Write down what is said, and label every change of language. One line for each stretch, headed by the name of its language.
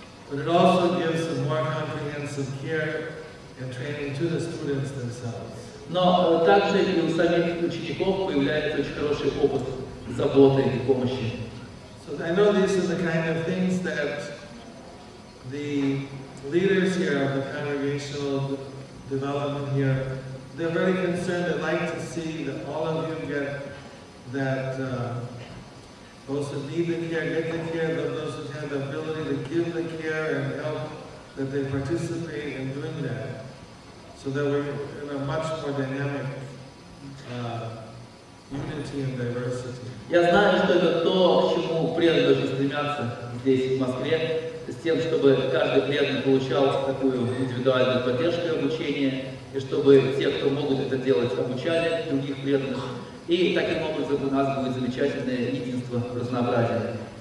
English: But it also gives a more comprehensive care and training to the students themselves.
Russian: Но также и у самих учеников появляется очень хороший опыт заботы и помощи.
English: So I know these are the kind of things that the leaders here of the congregational development here, they're very concerned. They'd like to see that all of you get that. Those who need the care, get the care, those who have the ability to give the care and help that they participate in doing that, so that we're in a much more dynamic unity and diversity.
Russian: Я знаю, что это то, к чему преданные должны стремиться здесь, в Москве, с тем, чтобы каждый преданный получал такую индивидуальную поддержку и обучение, и чтобы те, кто могут это делать, обучали других преданных. И таким образом у нас будет замечательное единство, разнообразие.